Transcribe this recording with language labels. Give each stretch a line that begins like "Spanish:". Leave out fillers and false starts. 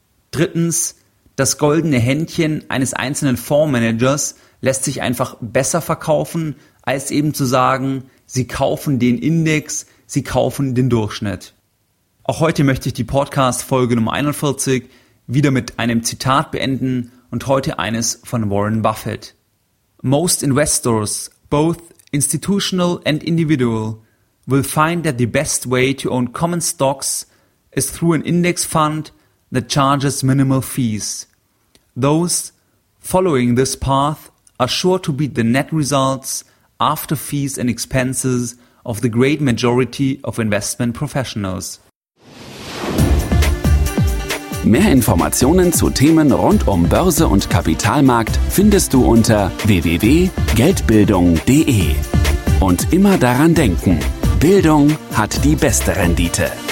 German: Drittens, das goldene Händchen eines einzelnen Fondsmanagers lässt sich einfach besser verkaufen, als eben zu sagen, sie kaufen den Index, sie kaufen den Durchschnitt. Auch heute möchte ich die Podcast-Folge Nummer 41 wieder mit einem Zitat beenden und heute eines von Warren Buffett.
English: Most investors, both institutional and individual, will find that the best way to own common stocks is through an index fund that charges minimal fees. Those following this path are sure to beat the net results after fees and expenses of the great majority of investment professionals.
German: Mehr Informationen zu Themen rund um Börse und Kapitalmarkt findest du unter www.geldbildung.de. Und immer daran denken, Bildung hat die beste Rendite.